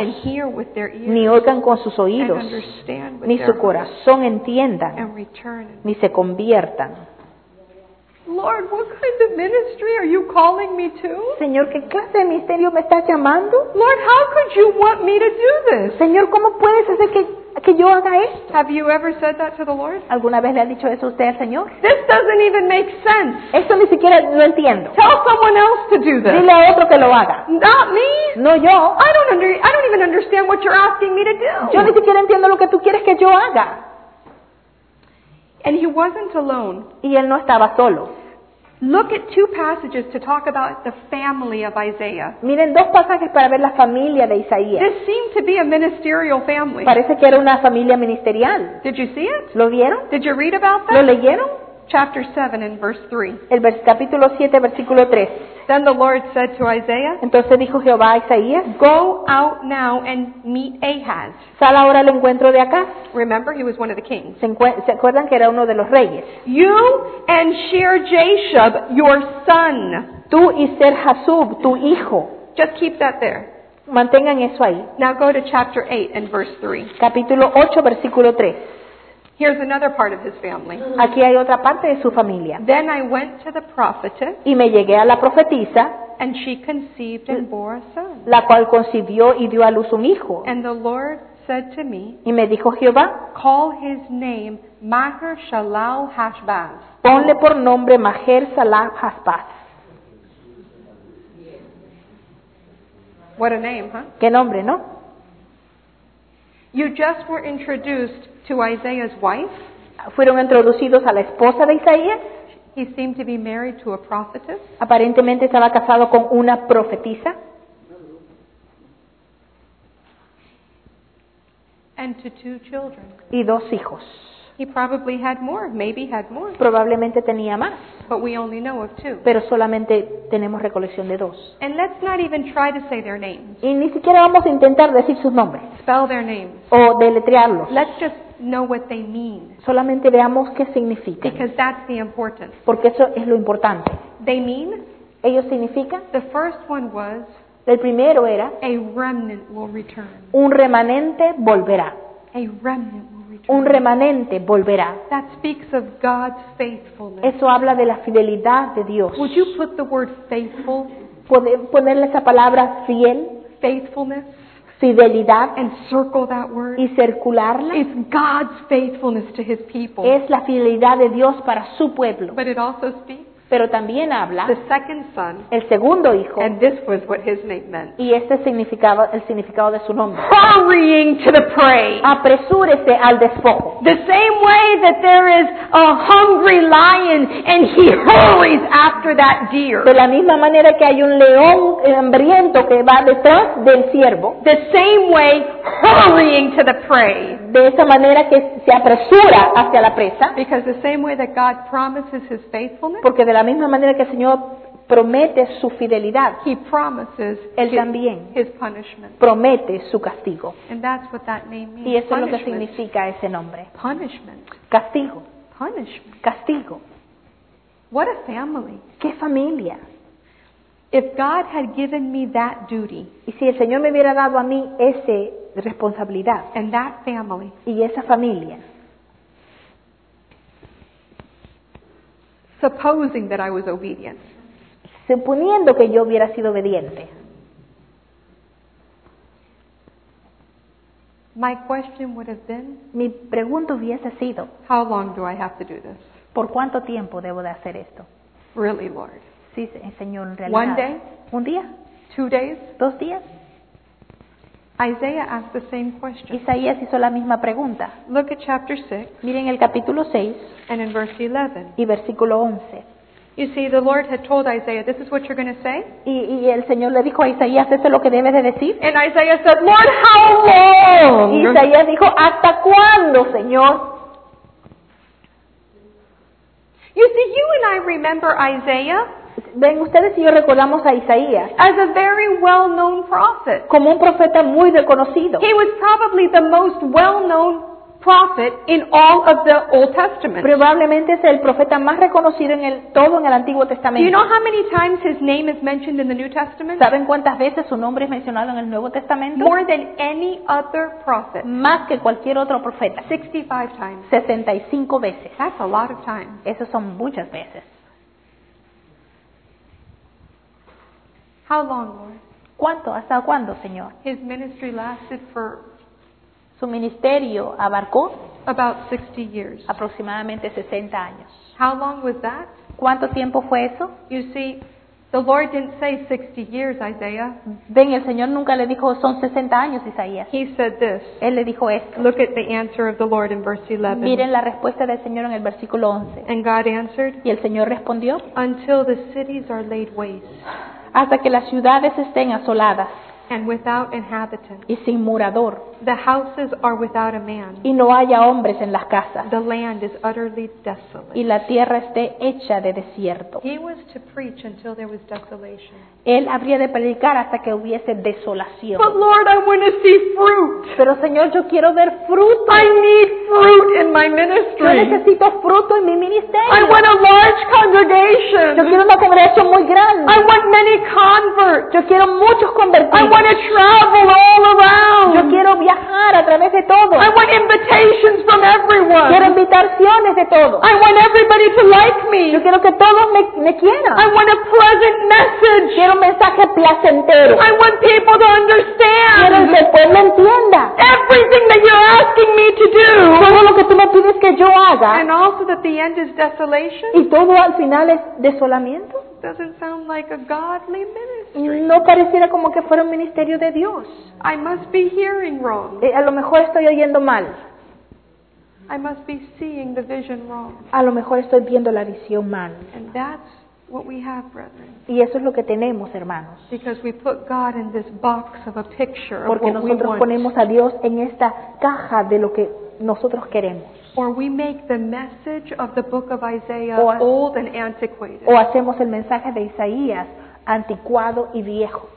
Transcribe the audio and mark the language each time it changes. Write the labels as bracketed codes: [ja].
[en] And hear with their ears. [es] Ni oigan con sus oídos. [en] And understand with [es] ni su corazón entienda. [en] And return. [es] Ni se conviertan. [en] Lord, what kind of ministry are you calling me to? [es] Señor, ¿qué clase de ministerio me estás llamando? [en] Lord, how could you want me to do this? [es] Señor, ¿cómo puedes hacer que yo haga esto? [en] Have you ever said that to the Lord? [es] ¿Alguna vez le ha dicho eso usted al Señor? [en] This doesn't even make sense. [es] Esto ni siquiera lo entiendo. [en] Tell someone else to do this. [es] Dile a otro que lo haga. [en] Not me. [es] No yo. [en] I don't even understand what you're asking me to do. [es] Yo ni siquiera entiendo lo que tú quieres que yo haga. [en] And he wasn't alone. [es] Y él no estaba solo. [en] Look at two passages to talk about the family of Isaiah. [es] Miren dos pasajes para ver la familia de Isaías. [en] This seemed to be a ministerial family. [es] Parece que era una familia ministerial. [en] Did you see it? [es] ¿Lo vieron? [en] Did you read about that? [es] ¿Lo leyeron? [en] Chapter 7 and verse 3. [es] El capítulo 7, versículo 3. [en] Then the Lord said to Isaiah. [es] Entonces dijo Jehová a Isaías. [en] Go out now and meet Ahaz. [es] Sal ahora al encuentro de Acaz. [en] Remember, he was one of the kings. [es] ¿Se acuerdan que era uno de los reyes? [en] You and Shear Jashub, your son. [es] Tú y Ser Hasub, tu hijo. [en] Just keep that there. [es] Mantengan eso ahí. [en] Now go to chapter 8 and verse 3. [es] Capítulo 8, versículo 3. [en] Here's another part of his family. [es] Aquí hay otra parte de su familia. [en] Then I went to the prophetess. [es] Y me llegué a la profetisa. [en] And she conceived and bore a son. [es] La cual concibió y dio a luz un hijo. [en] And the Lord said to me, [es] y me dijo Jehová, [en] call his name Maher Shalal Hashbaz. [es] Ponle por nombre Maher Shalal Hashbaz. [en] What a name, huh? [es] Qué nombre, ¿no? [en] You just were introduced to Isaiah's wife. [es] Fueron introducidos a la esposa de Isaías. [en] He seemed to be married to a prophetess. [es] Aparentemente estaba casado con una profetisa. [en] And to two children. [es] Y dos hijos. [en] He probably had more, maybe had more. [es] Probablemente tenía más. [en] But we only know of two. [es] Pero solamente tenemos recolección de dos. [en] And let's not even try to say their names. [es] Y ni siquiera vamos a intentar decir sus nombres. [en] Spell their names. [es] O deletrearlos. [en] Let's just know what they mean. [es] Solamente veamos qué significan. [en] Because that's the importance. [es] Porque eso es lo importante. [en] They mean. [es] Ellos significan. [en] The first one was. [es] El primero era. [en] A remnant will return. [es] Un remanente volverá. [en] A remnant. [es] Un remanente volverá. [en] That speaks of God's faithfulness. [es] Eso habla de la fidelidad de Dios. [en] Would you put the word faithful? [es] Ponerle esa palabra fiel. [en] Faithfulness. [es] Fidelidad. [en] And circle that word. [es] Y circularla. [en] It's God's faithfulness to His people. [es] Es la fidelidad de Dios para su pueblo. [en] But it also speaks. [es] Pero también habla. [en] The second son. [es] El segundo hijo. [en] And this was what his name meant. [es] Y este significaba el significado de su nombre. [en] Hurrying to the prey. [es] Apresúrese al despojo. [en] The same way that there is a hungry lion and he hurries after that deer. [es] De la misma manera que hay un león hambriento que va detrás del ciervo. [en] The same way hurrying to the prey. [es] De esa manera que se apresura hacia la presa. [en] Because the same way that God promises his faithfulness. [es] Porque de la misma manera que el Señor promete su fidelidad, [en] he promises [es] Él también [en] his punishment. [es] Promete su castigo. [en] And that's what that name means. [es] Y eso es lo que significa ese nombre. [en] Punishment. [es] Castigo. [en] Punishment. [es] Castigo. [en] What a family. [es] ¿Qué familia? [en] If God had given me that duty, [es] y si el Señor me hubiera dado a mí esa responsabilidad, [en] and that family, [es] y esa familia, [en] supposing that I was obedient. [es] Suponiendo que yo hubiera sido obediente. [en] My question would have been. [es] Mi pregunta hubiese sido. [en] How long do I have to do this? [es] ¿Por cuánto tiempo debo de hacer esto? [en] Really, Lord. [es] Sí, Señor, en realidad. [en] One day. [es] Un día. [en] Two days. [es] Dos días. [en] Isaiah asked the same question. [es] Isaías hizo la misma pregunta. [en] Look at chapter 6. [es] Miren el capítulo 6. [en] And in verse 11. [es] Y versículo 11. [en] You see, the Lord had told Isaiah, "This is what you're going to say." [es] Y el Señor le dijo a Isaías, "Esto es lo que debes de decir." [en] And Isaiah said, "Lord, how long?" [es] Y Isaías dijo, "¿Hasta cuándo, Señor?" [en] You see, you and I remember Isaiah. [es] Ven, ustedes y yo recordamos a Isaías. [en] As a very well-known prophet. [es] Como un profeta muy reconocido. [en] He was probably the most well-known prophet in all of the Old Testament. [es] Probablemente es el profeta más reconocido en todo en el Antiguo Testamento. [en] Do you know how many times his name is mentioned in the New Testament? [es] ¿Saben cuántas veces su nombre es mencionado en el Nuevo Testamento? [en] More than any other prophet. [es] Más que cualquier otro profeta. [en] 65 times. [es] 65 veces. [en] That's a lot of times. [es] Esas son muchas veces. [en] How long, Lord? [es] ¿Cuánto? ¿Hasta cuándo, Señor? [en] His ministry lasted for. [es] Su ministerio abarcó. [en] About 60 years. [es] Aproximadamente 60 años. [en] How long was that? [es] ¿Cuánto tiempo fue eso? [en] You see, the Lord didn't say 60 years, Isaiah. [es] Ven, el Señor nunca le dijo son 60 años, Isaías. [en] He said this. [es] Él le dijo esto. [en] Look at the answer of the Lord in verse 11. [es] Miren la respuesta del Señor en el versículo 11. [en] And God answered. [es] Y el Señor respondió. [en] Until the cities are laid waste. [es] Hasta que las ciudades estén asoladas. [en] And without inhabitant. [es] Y sin morador. [en] The houses are without a man. [es] Y no haya hombres en las casas. [en] The land is utterly desolate. [es] Y la tierra esté hecha de desierto. [en] He was to preach until there was desolation. [es] Él habría de predicar hasta que hubiese desolación. [en] But Lord, I want to see fruit. [es] Pero Señor, yo quiero ver fruto. [en] I need fruit in my ministry. [es] Yo necesito fruto en mi ministerio. [en] I want a large congregation. [es] Yo quiero una congregación muy grande. [en] I want many converts. [es] Yo quiero muchos convertidos. [en] I want to travel all around. [es] Yo quiero viajar a través de todo. [en] I want invitations from everyone. [es] Quiero invitaciones de todo. [en] I want everybody to like me. [es] Yo quiero que todos me quieran. [en] I want a pleasant message. [es] Quiero un mensaje placentero. [en] I want people to understand. [es] Quiero que el pueblo entienda. [en] Every everything that you're asking me to do. [es] Todo lo que tú me pides que yo haga. [en] And also that the end is desolation. [es] Y todo al final es desolamiento. [en] Doesn't sound like a godly ministry. [es] No pareciera como que fuera un ministerio de Dios. [en] I must be hearing wrong. [es] A lo mejor estoy oyendo mal. [en] I must be seeing the vision wrong. [es] A lo mejor estoy viendo la visión mal. [en] And that's what we have, brethren. [es] Y eso es lo que tenemos, hermanos. [en] Because we put God in this box of a picture of what we want. [es] Porque nosotros ponemos a Dios en esta caja de lo que nosotros queremos. [en] Or we make the message of the book of Isaiah old and antiquated. [es] O hacemos el mensaje de Isaías anticuado y viejo.